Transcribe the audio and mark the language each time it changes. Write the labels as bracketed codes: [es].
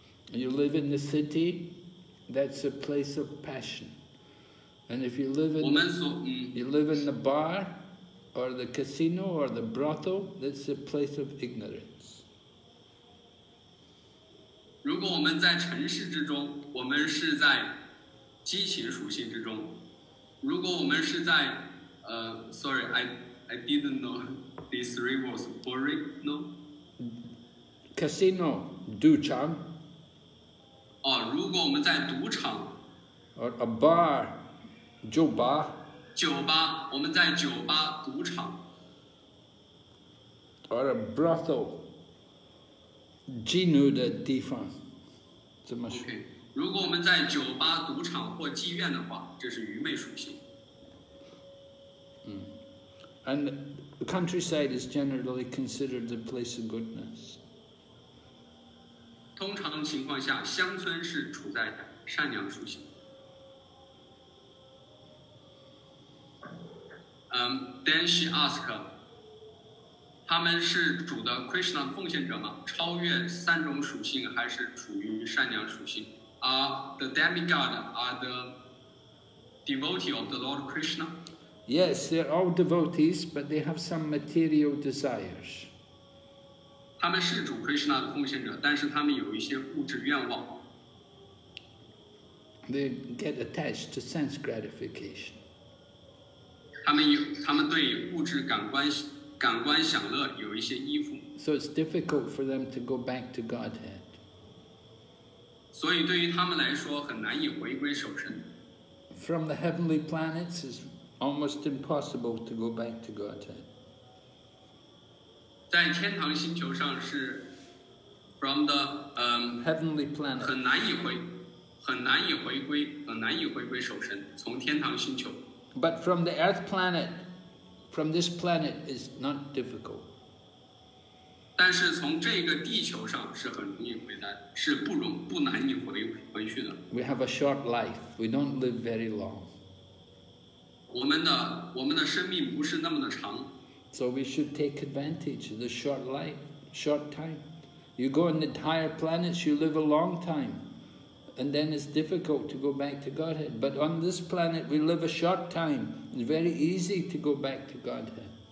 [en] You live in the city, that's a place of passion. And if you live in the bar, or the casino, or the brothel, that's a place of ignorance. [zh] 如果我们在城市之中，我们是在激情属性之中。如果我们是在 [en] sorry, I didn't know this three words. Boring, no? [zh] Casino, 赌场。哦，如果我们在赌场。 [en] Or a bar, 酒吧。 [zh] 酒吧，我们在酒吧赌场。 [en] Or a brothel, [zh] 妓女的地方。怎么说？ Okay, 如果我们在酒吧赌场或妓院的话，这是愚昧属性。嗯。 [en] And the countryside is generally considered the place of goodness. [zh] 通常情况下，乡村是处在善良属性。 [en] Then she asked, [zh] 他们是主的 Krishna 奉献者吗？超越三种属性还是处于善良属性？ [en] Are the demigod, are the devotee of the Lord Krishna? Yes, they're all devotees, but they have some material desires. [zh] 他们是主 Krishna 的奉献者，但是他们有一些物质愿望。 [en] They get attached to sense gratification. [zh] 他们对物质感官享乐有一些依附。 [en] So it's difficult for them to go back to Godhead. [zh] 所以对于他们来说很难以回归守身。 [en] From the heavenly planets, it's almost impossible to go back to Godhead. [zh] 在天堂星球上是 [en] from the heavenly planet [zh] 很难以回归守身从天堂星球 [en] but from the earth planet from this planet is not difficult [zh] 但是从这个地球上是很容易回来是不难以回去的 [en] we have a short life we don't live very long [zh] 我们的生命不是那么的长 [en] So we should take advantage of the short life, short time. You go on the higher planets, you live a long time. And then it's difficult to go back to Godhead. But on this planet, we live a short time. It's very easy to go back to Godhead.